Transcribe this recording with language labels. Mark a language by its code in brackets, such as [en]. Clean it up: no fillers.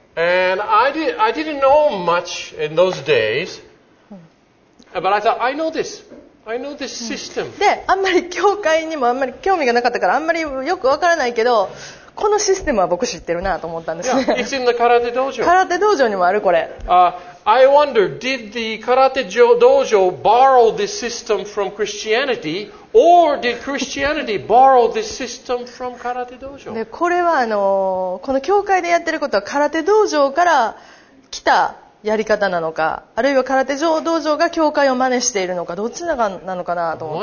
[en] And I didn't know much in those days, but I thought I know this. I know this system. [ja] で、あんまり教会にもあんまり興味がなかったからあんまりよくわからないけど、このシステムは僕知ってるなと思ったんですね。 [en] Yeah, it's in the karate dojo. [ja] 空手道場にもあるこれ。 [en] I wonder, did the karate dojo borrow this system from Christianity, or did Christianity borrow this system from karate dojo? [ja] で、これはこの教会でやってることは空手道場から来た。やり方なのか、あるいは空手場道場が教会を真似しているのか、どっちなのかなと思